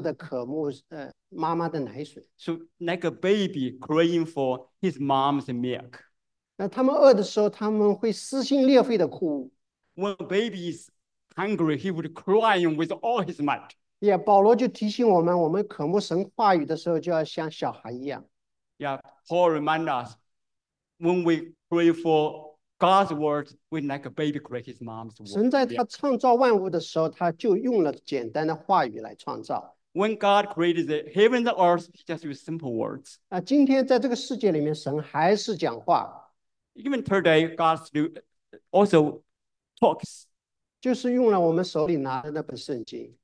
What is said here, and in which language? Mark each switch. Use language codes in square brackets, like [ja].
[zh] 在描述神话语的时候，神告诉我们，我们要像婴儿一样的渴慕妈妈的奶水。 [en] So like a baby crying for his mom's milk. [zh] 那他们饿的时候，他们会撕心裂肺的哭。 [en] When a baby is hungry, he would cry with all his might. [zh] Yeah, 保罗就提醒我们，我们渴慕神话语的时候，就要像小孩一样。 [en] Yeah, Paul reminds us, when we pray for God's word, we like a baby cry his mom's word. [zh] 神在他创造万物的时候，他就用了简单的话语来创造。 [en] When God created the heavens and earth, he just used simple words. [zh] 今天在这个世界里面，神还是讲话。 [en] Even today, God still also talks. [zh] 就是用了我们手里拿着那本圣经。